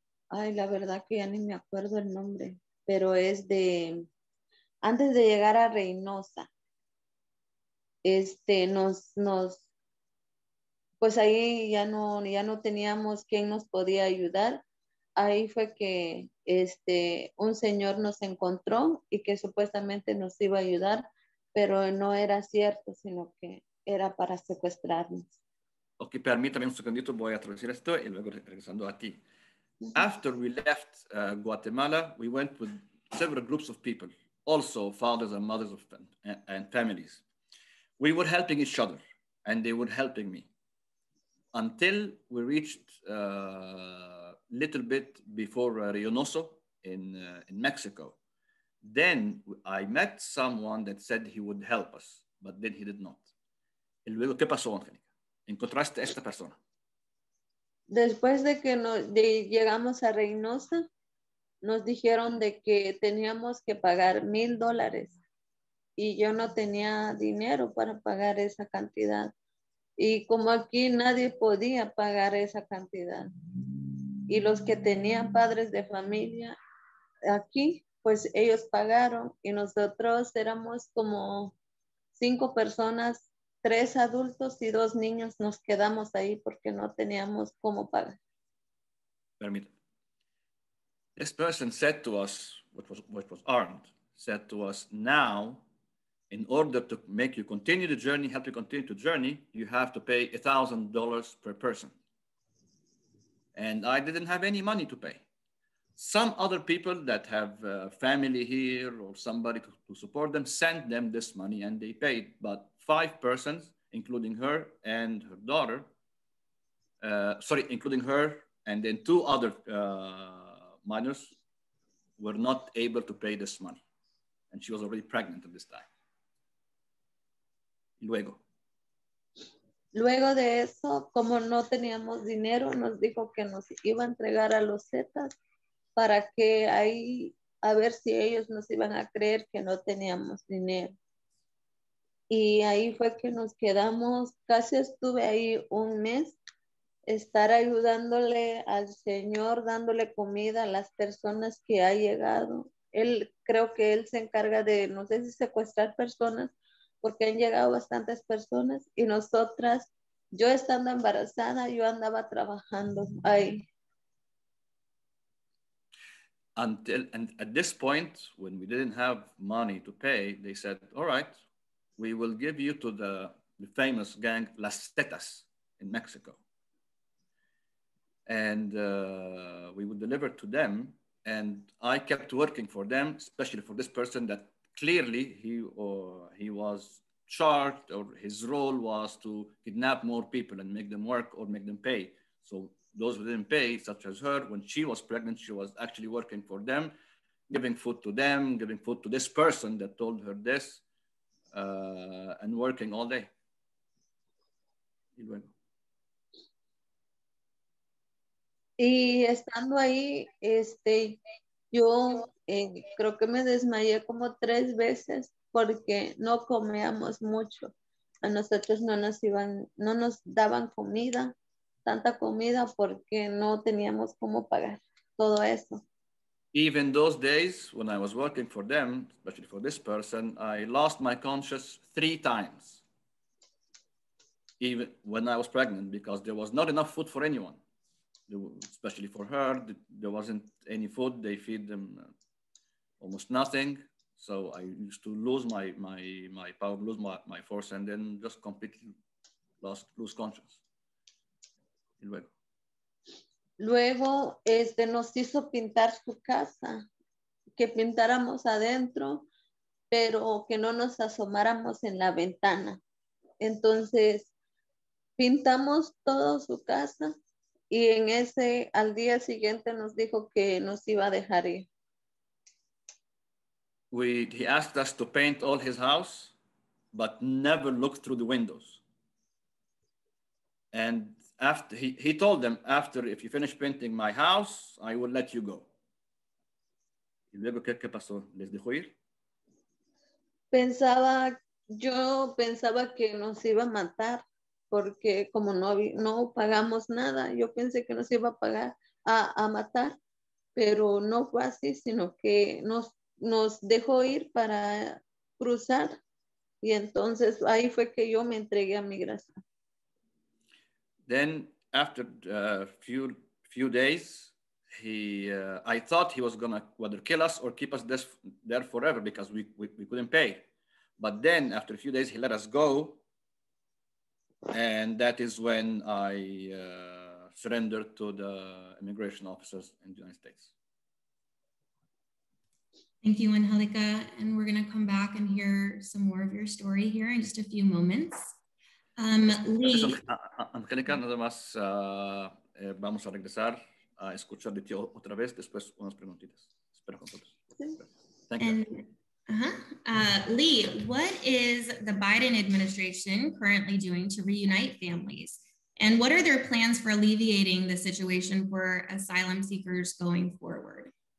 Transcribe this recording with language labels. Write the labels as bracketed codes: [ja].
[es] Ay, la verdad que ya ni me acuerdo el nombre, pero es de, antes de llegar a Reynosa, pues ahí ya no teníamos quien nos podía ayudar. Ahí fue que un señor nos encontró y que supuestamente nos iba a ayudar, pero no era cierto, sino que era para secuestrarnos. Okay, permítame un segundito, voy a traducir esto y luego regresando a ti. Mm-hmm. [en] After we left Guatemala, we went with several groups of people, also fathers and mothers of and families. We were helping each other and they were helping me until we reached a little bit before Reynoso in Mexico. Then I met someone that said he would help us, but then he did not. [es] Y luego, ¿qué pasó, Angelica? ¿Encontraste a esta persona? Después de que llegamos a Reynosa, nos dijeron de que teníamos que pagar $1,000. Y yo no tenía dinero para pagar esa cantidad. Y como aquí nadie podía pagar esa cantidad. Y los que tenían padres de familia aquí, pues ellos pagaron. Y nosotros éramos como 5 personas. 3 adultos y 2 niños nos quedamos ahí porque no teníamos cómo pagar. Permítame. [en] This person said to us, which was armed, said to us, now, in order to make you continue the journey, help you continue the journey, you have to pay $1,000 per person. And I didn't have any money to pay. Some other people that have family here or somebody to support them sent them this money and they paid, but 5 persons, including her and her daughter, including her and then 2 other minors, were not able to pay this money. And she was already pregnant at this time. [es] Luego. Luego de eso, como no teníamos dinero, nos dijo que nos iba a entregar a los Zetas para que ahí, a ver si ellos nos iban a creer que no teníamos dinero. Y ahí fue que nos quedamos, casi estuve ahí un mes, estar ayudándole al Señor, dándole comida a las personas que ha llegado. él creo que él se encarga de, no sé si secuestrar personas, porque han llegado bastantes personas y nosotras, yo estando embarazada, yo andaba trabajando ahí. [en] Until, and at this point, when we didn't have money to pay, they said, all right, we will give you to the famous gang Las Tetas in Mexico. And we would deliver to them. And I kept working for them, especially for this person that clearly he was charged, or his role was to kidnap more people and make them work or make them pay. So those who didn't pay, such as her, when she was pregnant, she was actually working for them, giving food to them, giving food to this person that told her this, and working all day. [es] Y estando ahí, yo creo que me desmayé como 3 veces porque no comíamos mucho. A nosotros no nos daban comida, tanta comida, porque no teníamos cómo pagar todo eso. [en] Even those days when I was working for them, especially for this person, I lost my conscience 3 times. Even when I was pregnant, because there was not enough food for anyone. Especially for her, there wasn't any food. They feed them almost nothing. So I used to lose my power, lose my force, and then just completely lose conscience. [es] Y luego. Luego, nos hizo pintar su casa, que pintáramos adentro, pero que no nos asomáramos en la ventana. Entonces, pintamos toda su casa. Y en ese, al día siguiente nos dijo que nos iba a dejar ir. [en] He asked us to paint all his house, but never look through the windows. And after he told them, after if you finish painting my house, I will let you go. [es] ¿Y luego qué pasó? ¿Les dejó ir? Yo pensaba que nos iba a matar. Porque como no pagamos nada, yo pensé que nos iba a pagar a matar, pero no fue así, sino que nos dejó ir para cruzar. Y entonces ahí fue que yo me entregué a migración. [en] Then after a few days, I thought he was gonna whether kill us or keep us there forever because we couldn't pay. But then after a few days, he let us go. And that is when I surrendered to the immigration officers in the United States. Thank you, Angelica. And we're going to come back and hear some more of your story here in just a few moments. Lee. [es] Angelica, nada más vamos a regresar a escuchar de ti otra vez, después unas preguntitas. Espero con todos. [en] Thank you. Lee, what is the Biden administration currently doing to reunite families? And what are their plans for alleviating the situation for asylum seekers going forward?